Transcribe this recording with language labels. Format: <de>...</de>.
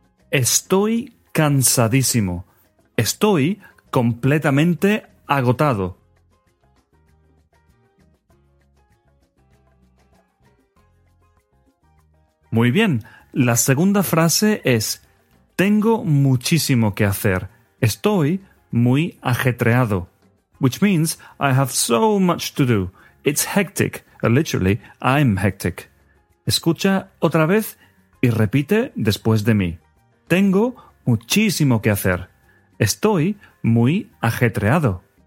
<es>Estoy cansadísimo. Estoy completamente agotado. Muy bien, la segunda frase es, tengo muchísimo que hacer. Estoy muy ajetreado.</es> <en>Which means, I have so much to do. It's hectic. Literally, I'm hectic.</en> <es>Escucha otra vez y repite después de mí. Tengo muchísimo que hacer. Estoy muy ajetreado.</es>